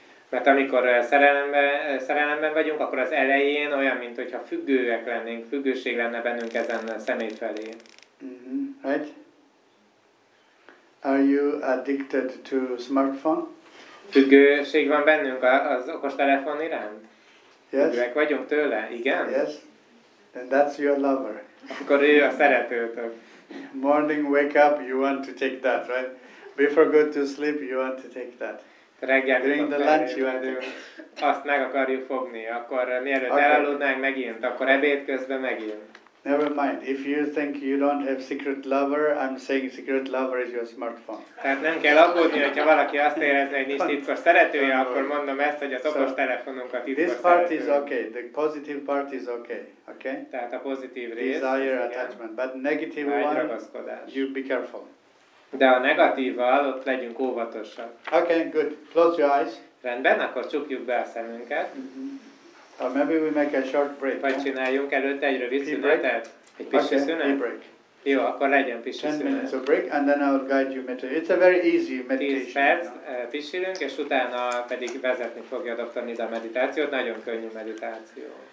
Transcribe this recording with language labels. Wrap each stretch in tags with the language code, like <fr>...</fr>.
<hu>Mert amikor szerelemben vagyunk, akkor az elején olyan, mint hogyha függőek lennénk, függőség lenne bennünk ezen a személy felé.</hu> <en>Right? Are you addicted to smartphone?</en> <hu>Függőség van bennünk az okostelefon iránt?</hu> <en>Yes.</en> <hu>Függőek vagyunk tőle? Igen?</hu> <en>Yes. Then that's your lover.</en> <hu>Akkor ő a szeretőtök.</hu> <en>Morning wake up, you want to take that, right? Before go to sleep, you want to take that.</en> <hu>Reggel,</hu> <en>during the lunch, you want to.</en> <hu>Azt meg akarjuk fogni, akkor mielőtt okay. Elaludnánk, megint, akkor ebéd közben megint.</hu> <en>Never mind. If you think you don't have secret lover, I'm saying secret lover is your smartphone.</en> <hu>Tehát nem kell aggódni, hogyha valaki azt érezni, hogy nincs titkos szeretője, akkor mondom ezt, hogy az okostelefonunkat titkos szeretője.</hu> <en>This part is okay. The positive part is okay. Okay?</en> <hu>Tehát a pozitív rész.</hu> <en>Desire attachment. But negative one, you be careful.</en> <hu>De a negatívval ott legyünk óvatosak.</hu> <en>Okay, good. Close your eyes.</en> <hu>Rendben, akkor csukjuk be a szemünket.</hu> <en>Or maybe we make a short break.</en> <hu>Vagy csináljunk előtte egy rövid szünetet. Egy pisi</hu> <en>okay,</en> <hu>szünet.</hu> <en>Break.</en> <hu>Jó, akkor legyen pisi szünet.</hu> <en>10 minutes of break, and then I'll guide you. It's a very easy meditation.</en> <hu>10 perc, pisilünk, és utána pedig vezetni fogja Dr. Nida meditációt. Nagyon könnyű meditáció.</hu>